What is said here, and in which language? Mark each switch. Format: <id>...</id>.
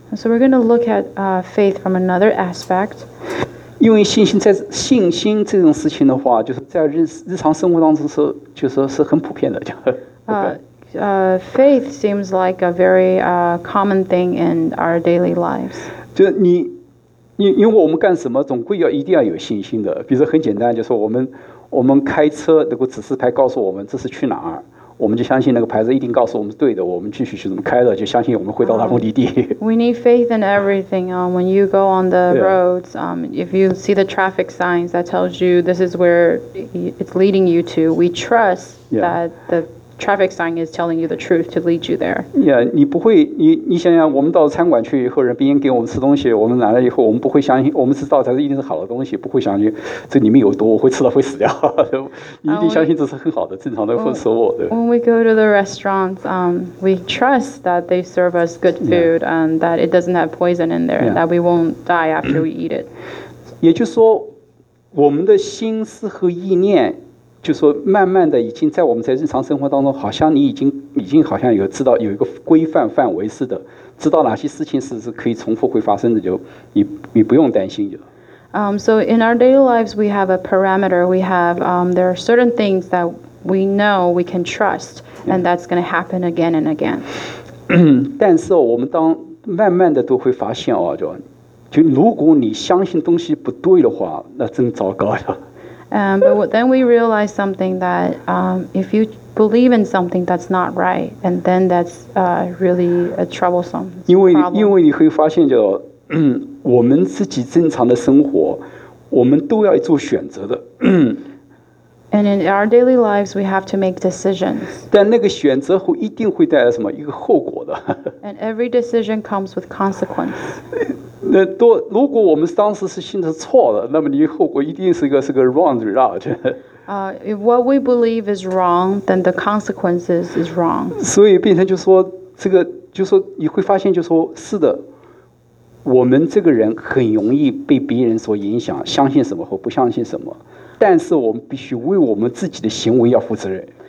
<en>So we're going to look at faith from another aspect.</en> <zh>因为信心这种事情的话，就是在日常生活当中是，就是说是很普遍的。</zh> <en>Faith seems like a very common thing in our daily lives.</en> <zh>就你，因为我们干什么总归要一定要有信心的。比如说很简单，就是我们开车，如果指示牌告诉我们这是去哪儿。我们就相信那个牌子一定告诉我们对的，我们继续去怎么开的，就相信我们会到达目的地。</zh> <en>We need faith in everything. When you go on the roads, if you see the traffic signs that tells you this is where it's leading you to, we trust that the traffic sign is telling you the truth to lead you there.</en> <zh>Yeah, 你不会，你想想，我们到餐馆去以后，别人给我们吃东西，我们来了以后，我们不会相信，我们知道它一定是好的东西，不会相信这里面有毒，我会吃到会死掉。你一定相信这是很好的、正常的食物，对。</zh> <en>When we go to the restaurants, we trust that they serve us good food and that it doesn't have poison in there, that we won't die after we eat it.</en> <zh>也就是说，我们的心思和意念。就说慢慢的已经在我们在日常生活当中，好像你已经好像有知道有一个规范范围似的，知道哪些事情是可以重复会发生的，就你不用担心就。</zh> <en>So in our daily lives, we have a parameter. We have there are certain things that we know we can trust, and that's going to happen again and again.</en> <zh>但是我们当慢慢的都会发现就如果你相信东西不对的话，那真糟糕了。</zh> <en>But then we realize something that if you believe in something that's not right, and then that's really troublesome.</en> <zh>因为你会发现就我们自己正常的生活，我们都要做选择的。</zh> <en>And in our daily lives, we have to make decisions.</en> <zh>但那个选择后一定会带来什么？一个后果的。</zh> <en>And every decision comes with consequence.</en> <zh>那多，如果我们当时是选择错了，那么你后果一定是一个</zh> <en>wrong result. If what we believe is wrong, then the consequences is wrong.</en> <zh>所以变成就说这个，就说你会发现，就说是的，我们这个人很容易被别人所影响，相信什么或不相信什么。但是我们必须为我们自己的行为要负责任。</zh>